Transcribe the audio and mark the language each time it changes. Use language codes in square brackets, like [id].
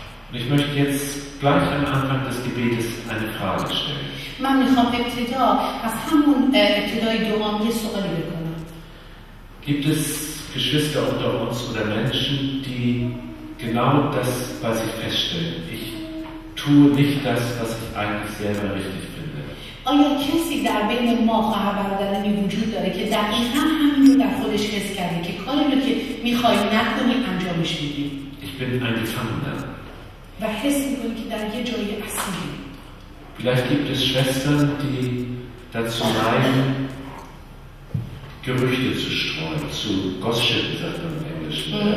[de] Ich möchte jetzt gleich am Anfang des Gebetes eine Frage stellen. Gibt es Geschwister unter uns oder Menschen, die genau das bei sich feststellen? Ich tue nicht das, was ich eigentlich selber richtig finde. [fa] آیا کسی در بین ما خواهر برادرانی وجود داره که دقیقا همین رو در خودش حس کرده که کاری رو که میخوای نکنی انجامش میدی؟ [de] Ich bin ein Gefangener. [fa] و حس میکنی که در یه جای اسیری. [de] Vielleicht gibt es Schwestern, die dazu neigen, Gerüchte zu streuen, zu gossipen, sagt man im Englischen.